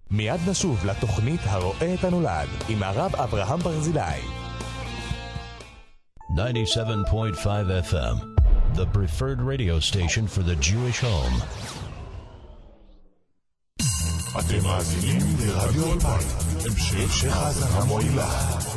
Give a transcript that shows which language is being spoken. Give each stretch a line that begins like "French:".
Hebrew: עד נשוב לתוכנית הרואה את הנולד עם הרב אברהם ברזילאי.
English: 97.5 FM, the preferred radio station for the Jewish home.
Hebrew: אתם מאזינים לרדיו אולפן, המשך האזנה מועילה.